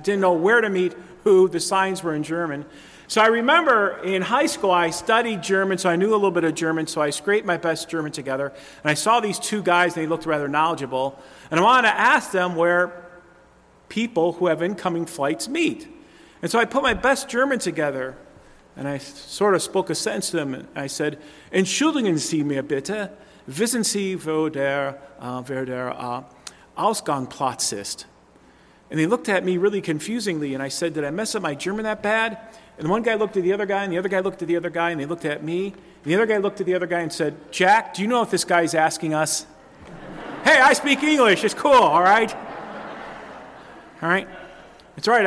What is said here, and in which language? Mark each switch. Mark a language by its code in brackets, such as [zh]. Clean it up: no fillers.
[en] Didn't know where to meet who. The signs were in German. So I remember in high school, I studied German, so I knew a little bit of German. So I scraped my best German together. And I saw these two guys, and they looked rather knowledgeable. And I wanted to ask them where people who have incoming flights meet. And so I put my best German together. And I sort of spoke a sentence to them. I said, [de] Entschuldigen Sie mir bitte, wissen Sie, wo der Ausgangplatz ist? [en] And they looked at me really confusingly, and I said, did I mess up my German that bad? And one guy looked at the other guy, and the other guy looked at the other guy, and they looked at me. And the other guy looked at the other guy and said, Jack, do you know what this guy's asking us? Hey, I speak English. It's cool, all right? All right? It's all right.